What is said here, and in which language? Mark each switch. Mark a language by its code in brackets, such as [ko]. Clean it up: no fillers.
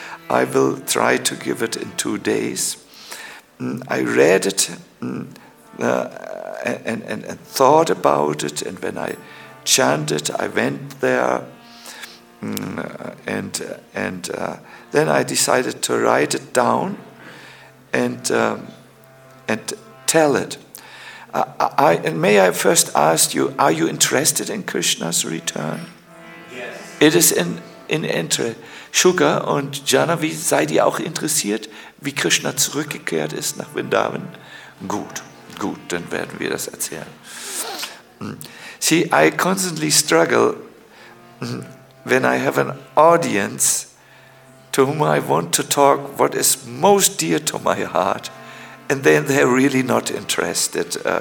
[en] I will try to give it in 2 days. I read it and thought about it, and when I chanted, I went there, and then I decided to write it down and tell it. May I first ask you, are you interested in Krishna's return? Yes. It is in entry. [de] Sugar und Janavi, seid ihr auch interessiert, wie Krishna zurückgekehrt ist nach Vrindavan? Gut, dann werden wir das erzählen. [en] See, I constantly struggle when I have an audience to whom I want to talk what is most dear to my heart, and then they're really not interested.